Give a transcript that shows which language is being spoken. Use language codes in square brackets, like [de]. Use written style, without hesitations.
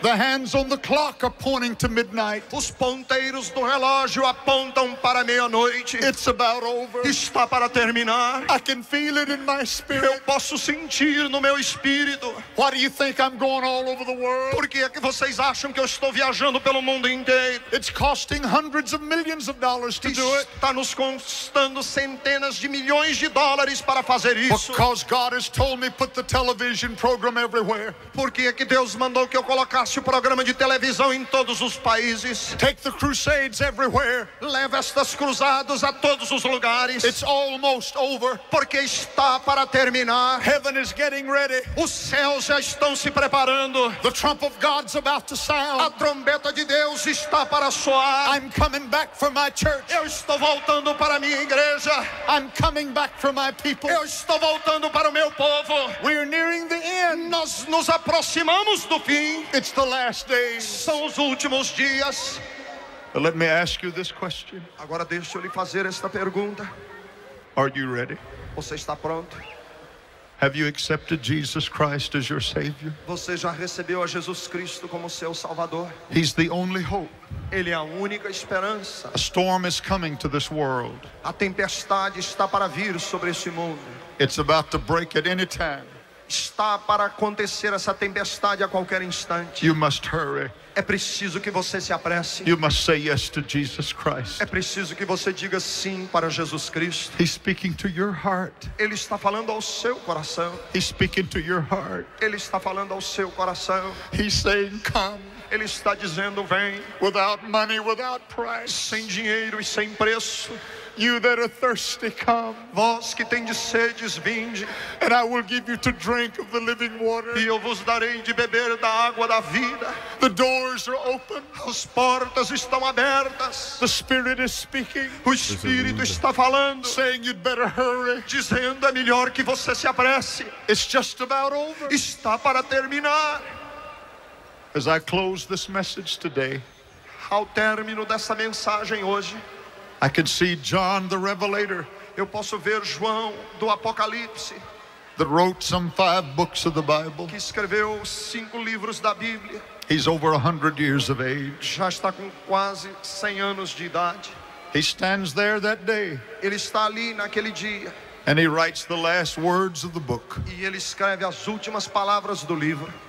[en] The hands on the clock are pointing to midnight. [pt] Os ponteiros do relógio apontam para meia-noite. [en] It's about over. [pt] Está para terminar. [en] I can feel it in my spirit. [pt] Eu posso sentir no meu espírito. [en] Why do you think I'm going all over the world? [pt] Por que é que vocês acham que eu estou viajando pelo mundo inteiro? [en] It's costing hundreds of millions of dollars to do it. [pt] Está nos custando centenas de milhões de dólares para fazer isso. [en] Because God has told me put the television program everywhere. [pt] Porque é que Deus mandou que eu colocasse o programa de televisão em todos os países. [en] Take the crusades everywhere. [pt] Leve estas cruzadas a todos os lugares. [en] It's almost over. [pt] Porque está para terminar. [en] Heaven is getting ready. [pt] Os céus já estão se preparando. [en] The trump of God's about to sound. [pt] A trombeta de Deus está para soar. [en] I'm coming back for my church. [pt] Eu estou voltando para minha igreja. [en] I'm coming back for my people. [pt] Estou voltando para o meu povo. [en] We're nearing the end. [pt] Nós nos aproximamos do fim. [en] It's the last days. [pt] São os últimos dias. [en] But let me ask you this question. [pt] Agora deixe eu lhe fazer esta pergunta. [en] Are you ready? [pt] Você está pronto? [en] Have you accepted Jesus Christ as your Savior? [pt] Você já recebeu a Jesus Cristo como seu Salvador? [en] He's the only hope. [pt] Ele é a única esperança. [en] A storm is coming to this world. [pt] A tempestade está para vir sobre esse mundo. [en] It's about to break at any time. [pt] Está para acontecer essa tempestade a qualquer instante. [en] You must hurry. [pt] É preciso que você se apresse. [en] You must say yes to Jesus Christ. [pt] É preciso que você diga sim para Jesus Cristo. [en] He's speaking to your heart. [pt] Ele está falando ao seu coração. [en] He's speaking to your heart. [pt] Ele está falando ao seu coração. [en] He's saying, come. [pt] Ele está dizendo, vem. [en] Without money, without price. [pt] Sem dinheiro e sem preço. [en] You that are thirsty, come. [pt] Vós que tendes sede, vinde. [en] And I will give you to drink of the living water. [pt] E eu vos darei de beber da água da vida. [en] The doors are open. [pt] As portas estão abertas. [en] The Spirit is speaking. [pt] O Espírito está falando. [en] Saying you'd better hurry. [pt] Dizendo, é melhor que você se apresse. [en] It's just about over. [pt] Está para terminar. [en] As I close this message today, [pt] ao término dessa mensagem hoje, [en] I can see John the Revelator. [pt] Eu posso ver João do Apocalipse. [en] That wrote some 5 books of the Bible. [pt] Que escreveu 5 livros da Bíblia. [en] He's over 100 years of age. [pt] Já está com quase 100 anos de idade. [en] He stands there that day. [pt] Ele está ali naquele dia. [en] And he writes the last words of the book. [pt] E ele escreve as últimas palavras do livro.